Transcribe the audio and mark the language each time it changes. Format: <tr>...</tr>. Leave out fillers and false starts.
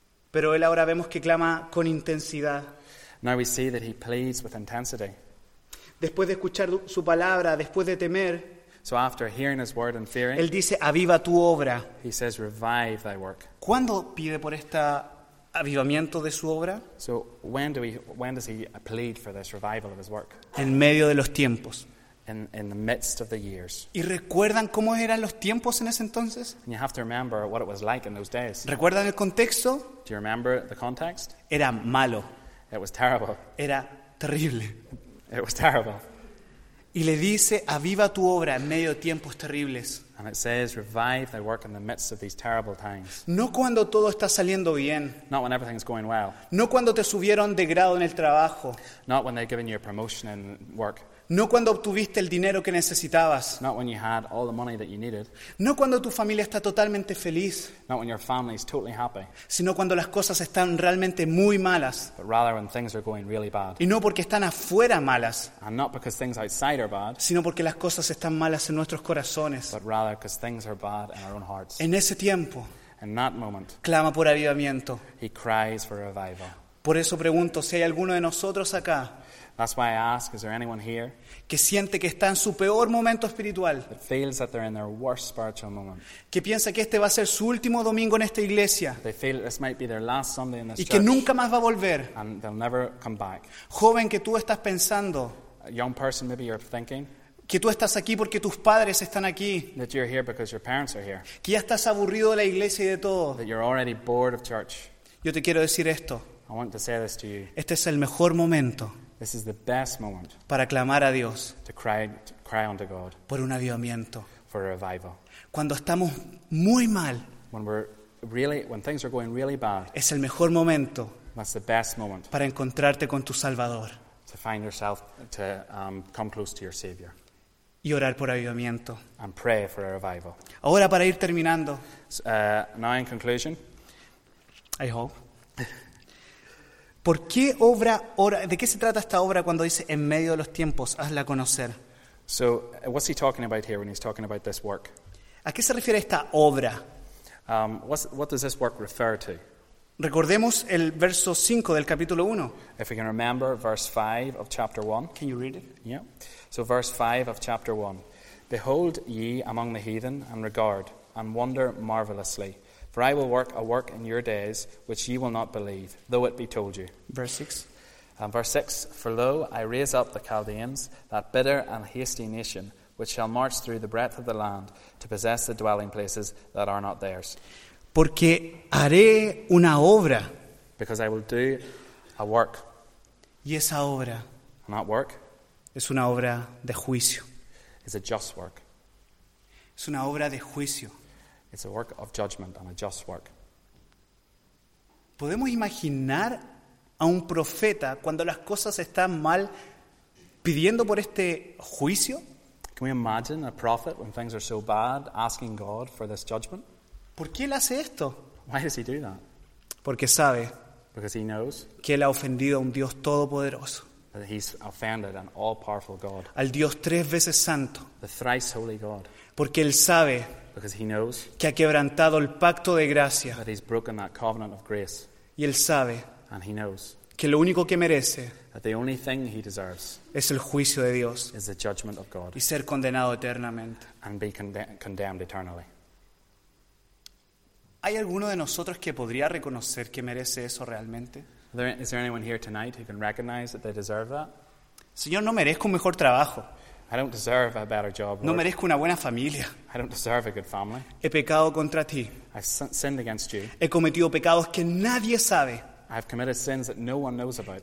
<es>Pero él ahora vemos que clama con intensidad.</es> <en>Now we see that he pleads with intensity.</en> <es>Después de escuchar su palabra, después de temer,</es> <en>so after hearing his word and fearing,</en> <es>él dice, aviva tu obra.</es> <en>He says, revive thy work.</en> <es>¿Cuándo pide por este avivamiento de su obra?</es> <en>So when does he plead for this revival of his work?</en> <es>En medio de los tiempos.</es> <en>In the midst of the years.</en> <es>¿Y recuerdan cómo eran los tiempos en ese entonces?</es> <en>And you have to remember what it was like in those days.</en> <es>¿Recuerdan el contexto?</es> <en>Do you remember the context?</en> <es>Era malo.</es> <en>It was terrible.</en> <es>Era terrible.</es> <en>It was terrible.</en> <es>Y le dice, aviva tu obra en medio de tiempos terribles.</es> <en>And it says, revive thy work in the midst of these terrible times.</en> <es>No cuando todo está saliendo bien.</es> <en>Not when everything's going well.</en> <es>No cuando te subieron de grado en el trabajo.</es> <en>Not when they've given you a promotion in work.</en> <es>No cuando obtuviste el dinero que necesitabas.</es> <en>Not when you had all the money that you needed.</en> <es>No cuando tu familia está totalmente feliz.</es> <en>Not when your family is totally happy.</en> <es>Sino cuando las cosas están realmente muy malas.</es> <en>But rather when things are going really bad.</en> <es>Y no porque están afuera malas.</es> <en>And not because things outside are bad.</en> <es>Sino porque las cosas están malas en nuestros corazones.</es> <en>But rather because things are bad in our own hearts.</en> <es>En ese tiempo.</es> <en>In that moment.</en> <es>Clama por avivamiento.</es> <en>He cries for revival.</en> <es>Por eso pregunto si hay alguno de nosotros acá.</es> <en>That's why I ask, is there anyone here</en> <es>que siente que está en su peor momento espiritual?</es> <en>That feels that they're in their worst spiritual moment.</en> <es>Que piensa que este va a ser su último domingo en esta iglesia.</es> <en>They feel this might be their last Sunday in this</en> <es>y que nunca más va a volver.</es> <en>And they'll never come back.</en> <es>Joven, que tú estás pensando.</es> <en>A young person, maybe you're thinking.</en> <es>Que tú estás aquí porque tus padres están aquí.</es> <en>That you're here because your parents are here.</en> <es>Que ya estás aburrido de la iglesia y de todo.</es> <en>That you're already bored of church.</en> <es>Yo te quiero decir esto.</es> <en>I want to say this to you.</en> <es>Este es el mejor momento.</es> <en>This is the best moment</en> <es>para clamar a Dios,</es> <en>to cry unto God,</en> <es>por un avivamiento,</es> <en>for a revival.</en> <es>Cuando estamos muy mal,</es> <en>when things are going really bad,</en> <es>es el mejor momento,</es> <en>that's the best moment</en> <es>para encontrarte con tu Salvador,</es> <en>to find yourself, to come close to your Savior,</en> <es>y orar por avivamiento,</es> <en>and pray for a revival.</en> <es>Ahora para ir terminando,</es> <en>now in conclusion, I hope.</en> <es>¿Por qué obra, ora, de qué se trata esta obra cuando dice en medio de los tiempos, hazla conocer?</es> <en>So, what's he talking about here when he's talking about this work?</en> <es>¿A qué se refiere esta obra?</es> <en>What does this work refer to?</en> <es>Recordemos el verso 5 del capítulo 1.</es> <en>If we can remember verse 5 of chapter 1. Can you read it? Yeah. So, verse 5 of chapter 1. Behold ye among the heathen, and regard, and wonder marvelously. For I will work a work in your days, which ye will not believe, though it be told you. Verse 6. For lo, I raise up the Chaldeans, that bitter and hasty nation, which shall march through the breadth of the land to possess the dwelling places that are not theirs.</en> <es>Porque haré una obra.</es> <en>Because I will do a work.</en> <es>Y esa obra.</es> <en>Not work.</en> <es>Es una obra de juicio.</es> <en>It's a just work.</en> <es>Es una obra de juicio.</es> <en>It's a work of judgment and a just work.</en> <es>¿Podemos imaginar a un profeta cuando las cosas están mal pidiendo por este juicio?</es> <en>Can we imagine a prophet when things are so bad asking God for this judgment?</en> <es>¿Por qué él hace esto?</es> <en>Why does he do that?</en> <es>Porque sabe.</es> <en>Because he knows.</en> <es>Que él ha ofendido a un Dios todopoderoso.</es> <en>That he's offended an all-powerful God.</en> <es>Al Dios tres veces santo.</es> <en>The thrice holy God.</en> <es>Porque él sabe.</es> <en>Because he knows</en> <es>que ha quebrantado el pacto de gracia.</es> <en>That he's broken that covenant of grace.</en> <es>Y él sabe,</es> <en>and he knows</en> <es>que lo único que merece,</es> <en>that the only thing he deserves,</en> <es>es el juicio de Dios,</es> <en>is the judgment of God,</en> <es>y ser condenado eternamente,</es> <en>and be condemned eternally.</en> <es>¿Hay alguno de nosotros que podría reconocer que merece eso realmente?</es> <en>Is there anyone here tonight who can recognize that they deserve that?</en> <es>Señor, no merezco un mejor trabajo.</es> <en>I don't deserve a better job.</en> <es>No merezco una buena familia.</es> <en>I don't deserve a good family.</en> <es>He pecado contra ti.</es> <en>I've sinned against you.</en> <es>He cometido pecados que nadie sabe.</es> <en>I've committed sins that no one knows about.</en>